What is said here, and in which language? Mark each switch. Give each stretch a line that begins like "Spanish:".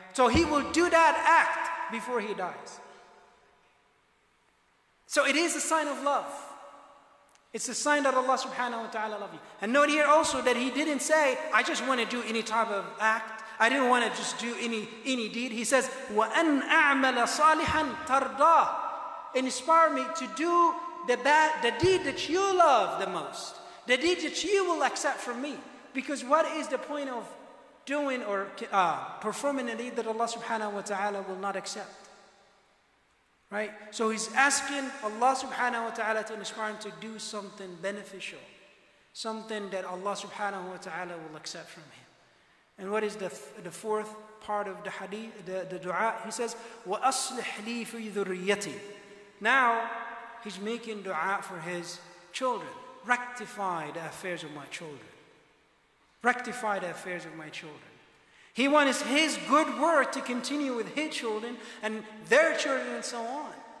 English: So he will do that act before he dies. So it is a sign of love. It's a sign that Allah subhanahu wa ta'ala loves you. And note here also that he didn't say, I just want to do any type of act. I didn't want to just do any deed.
Arabic: He says, وَأَنْ أَعْمَلَ صَالِحًا تَرْضَاهُ.
English: Inspire me to do the deed that you love the most. The deed that you will accept from me. Because what is the point of doing or performing a deed that Allah subhanahu wa ta'ala will not accept? Right? So he's asking Allah subhanahu wa ta'ala to inspire him to do something beneficial. Something that Allah subhanahu wa ta'ala will accept from him. And what is the fourth part of the hadith, the dua?
Arabic: He says, وَأَصْلِحْ لِي فِي ذُرِّيَّتِي.
English: Now, he's making dua for his children. Rectify the affairs of my children. Rectify the affairs of my children. He wants his good work to continue with his children and their children and so on.